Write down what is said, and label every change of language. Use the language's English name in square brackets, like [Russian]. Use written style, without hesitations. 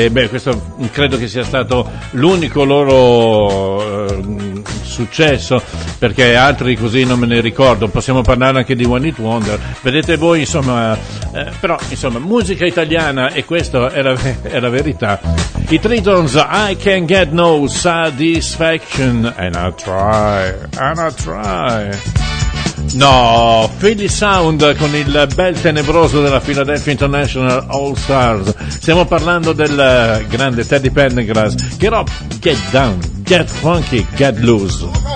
[Italian] Questo credo che sia stato l'unico loro successo, perché altri così non me ne ricordo. Possiamo parlare anche di One Hit Wonder, vedete voi, insomma. Però insomma, musica italiana, e questo è la verità. [English] I Tritons, I Can Get No Satisfaction, and I try, and I try. [Italian] No, Philly Sound con il bel tenebroso della Philadelphia International All Stars. Stiamo parlando del grande Teddy Pendergrass. [English] Get up, get down, get funky, get loose.